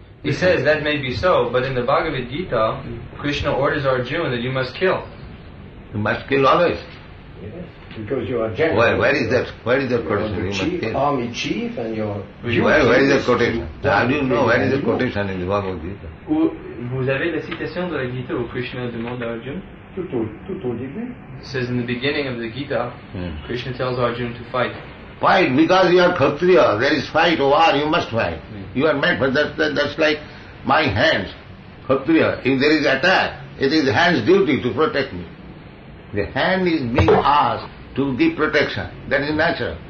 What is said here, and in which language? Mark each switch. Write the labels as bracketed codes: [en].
[en] He says that may be so, but in the Bhagavad Gita, Krishna orders Arjuna that you must kill. You must kill always. Yes, because you are general. Where is that quotation? You are the chief, army chief and your... Where is the quotation? How do you know where is the quotation in the Bhagavad Gita? [fr] Vous avez la citation de la Gita où Krishna demande Arjuna? Tout au début. [en] It says in the beginning of the Gita, Krishna tells Arjuna to fight. Fight, because you are Kshatriya, there is fight, war, you must fight. You are meant for that's like my hands, Kshatriya. If there is attack, it is hand's duty to protect me. The hand is being asked to give protection. That is natural.